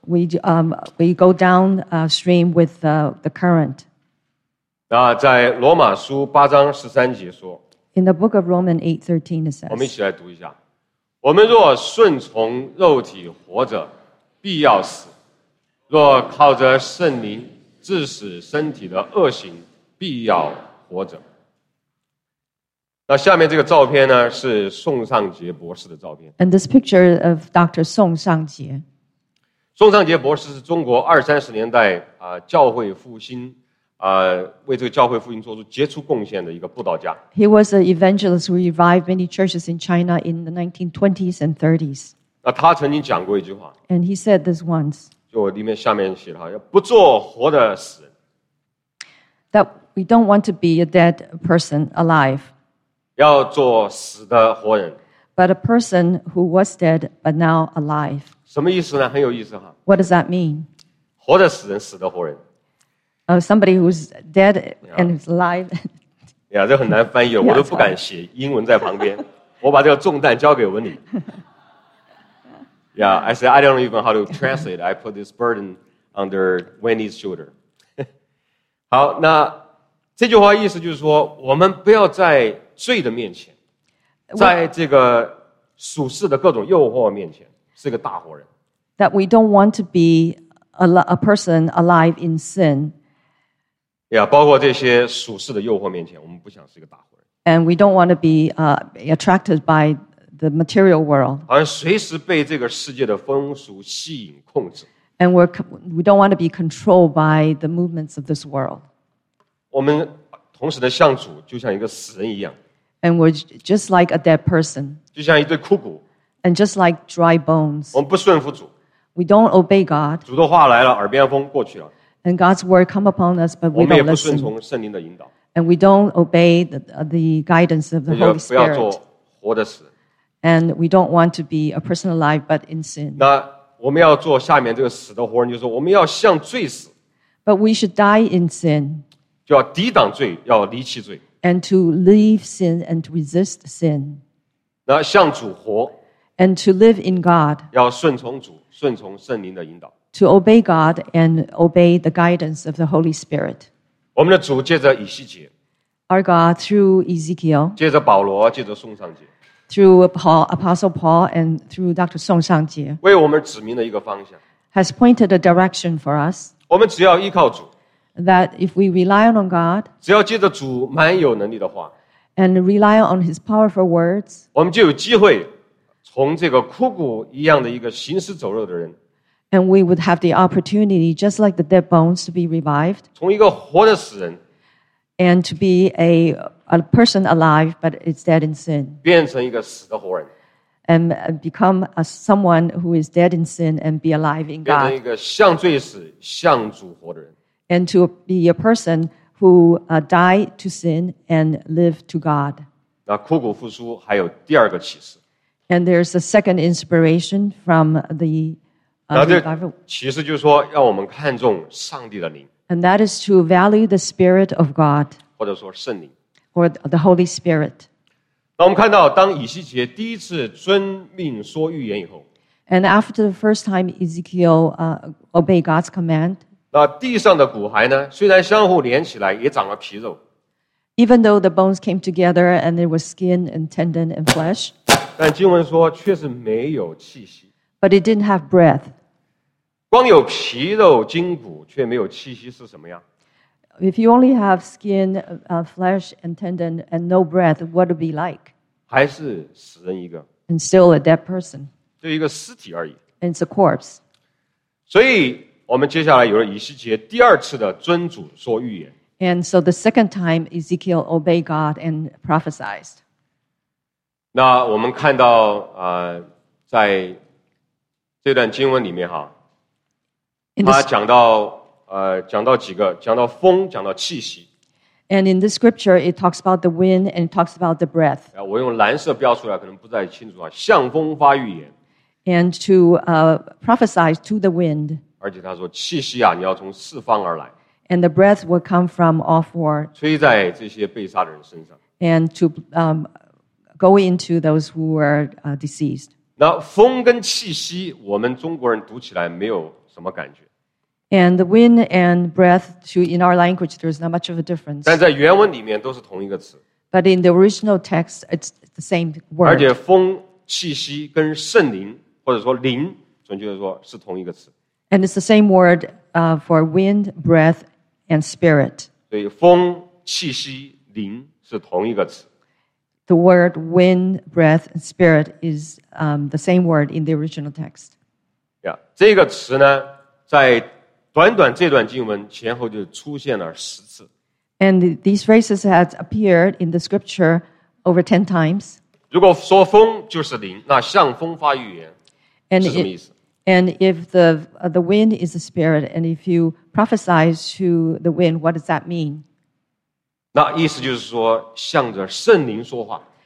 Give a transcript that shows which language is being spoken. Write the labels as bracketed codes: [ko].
[en] We go down stream with the current. [zh] 那在罗马书八章十三节说 [en] In the book of Romans 8:13 it says [zh] 我们一起来读一下我们若顺从肉体活着必要死若靠着圣灵致使身体的恶行必要活着那下面这个照片呢是宋尚杰博士的照片。 [en] And this picture of Dr. 宋尚杰。 [zh] 宋尚杰博士是中国二三十年代教会复兴为这个教会复兴做出杰出贡献的一个布道家。 [en] He was an evangelist who revived many churches in China in the 1920s and 30s. [zh] 那他曾经讲过一句话。 [en] And he said this once. [zh] 就我里面下面写的哈，不做活的死人。 [en] That we don't want to be a dead person alive. [zh] 要做死的活人 [en] ，But a person who was dead but now alive. [zh] 什么意思呢？很有意思哈。 [en] What does that mean? [zh] 活的死人，死的活人。 [en] Somebody who's dead and who's alive. [zh] 这很难翻译，我都不敢写英文在旁边。我把这个重担交给文理。 [en] I said I don't even know how to translate. I put this burden under Wendy's shoulder. [zh] 好，那这句话意思就是说，我们不要再。罪的面前，在这个属世的各种诱惑面前，是个大活人。 [en] That we don't want to be a person alive in sin. [zh] 包括这些属世的诱惑面前，我们不想是个大活人。 [en] And we don't want to be attracted by the material world. [zh] 而随时被这个世界的风俗吸引控制。 [en] And we don't want to be controlled by the movements of this world. [zh] 我们。同时的像主就像一个死人一样 [en] ，and we're just like a dead person， [zh] 就像一堆枯骨 [en] ，and just like dry bones。 [zh] 我们不顺服主 [en] ，we don't obey God。 [zh] 主的话来了，耳边风过去了 [en] ，and God's word come upon us， but we don't listen。 [zh] 我们也不顺从圣灵的引导 [en] ，and we don't obey the guidance of the Holy Spirit。 [zh] 不要做活的死 [en] ，and we don't want to be a person alive but in sin。 [zh] 那我们要做下面这个死的活人，就是我们要向罪死 [en] ，but we should die in sin。 [zh] 就要抵挡罪，要离弃罪。 [en] And to leave sin and to resist sin. [zh] 那向主活。 [en] and to live in God. [zh] 要顺从主，顺从圣灵的引导。 [en] To obey God and obey the guidance of the Holy Spirit. [zh] 我们的主借着以西结。 [en] Our God through Ezekiel. [zh] 借着保罗，借着宋尚杰。 [en] Through Paul, Apostle Paul, and through Dr. [zh] 宋尚杰。为我们指明了一个方向。 [en] Has pointed a direction for us. [zh] 我们只要依靠主。 [en] That if we rely on God. [zh] 只要借着主蛮有能力的话。 [en] And rely on His powerful words. [zh] 我们就有机会。从这个枯骨一样的一个行尸走肉的人 [en] ，and we would have the opportunity, just like the dead bones, to be revived. [zh] 从一个活的死人 [en] ，and to be a person alive, but is dead in sin. [zh] 变成一个死的活人 [en] ，and become a someone who is dead in sin and be alive in God. [zh] 变成一个向罪死、向主活的人 [en] ，and to be a person who die to sin and live to God. [zh] 那枯骨复苏还有第二个启示。 [en] And there's a second inspiration from the revival. [zh] 其实就是说，让我们看重上帝的灵。 [en] And that is to value the Spirit of God. [zh] 或者说圣灵。 [en] Or the Holy Spirit. [zh] 那我们看到，当以西结第一次遵命说预言以后。 [en] And after the first time Ezekiel obeyed God's command. [zh] 那地上的骨骸呢？虽然相互连起来，也长了皮肉。 [en] Even though the bones came together and there was skin and tendon and flesh. [zh] 但经文说却是没有气息。 [en] But it didn't have breath. [zh] 光有皮肉筋骨却没有气息是什么样 [en] ？If you only have skin, flesh and tendon and no breath, what would it be like? [zh] 还是死人一个。 [en] And still a dead person. [zh] 就一个尸体而已。 [en] And it's a corpse. [zh] 所以我们接下来有了以西结第二次的尊主说预言。 [en] And so the second time Ezekiel obeyed God and prophesied. [zh] 那我们看到在这段经文里面哈，他讲到讲到几个，讲到风，讲到气息。 [en] And in this scripture, it talks about the wind and it talks about the breath. [zh] 我用蓝色标出来，可能不太清楚啊。向风发预言。 [en] And to prophesy to the wind. [zh] 而且他说气息啊，你要从四方而来。 [en] And the breath will come from all four. [zh] 吹在这些被杀的人身上。 [en] And to go into those who were deceased. [zh] 那风跟气息，我们中国人读起来没有什么感觉。 [en] And the wind and breath, to in our language, there is not much of a difference. [zh] 但在原文里面都是同一个词。 [en] But in the original text, it's the same word. [zh] 而且风、气息跟圣灵，或者说灵，准确的说是同一个词。 [en] And it's the same word. For wind, breath, and spirit. [zh] 所以风、气息、灵是同一个词。 [en] The word wind, breath, and spirit is the same word in the original text. [zh] Yeah, 这个词呢，在短短这段经文前后就出现了十次。 [en] And these phrases have appeared in the scripture over 10 times. [zh] 如果说风就是灵，那向风发预言是什么意思？ [en] And if the wind is the spirit, and if you prophesy to the wind, what does that mean? [zh] 那意思就是说向着圣灵说话。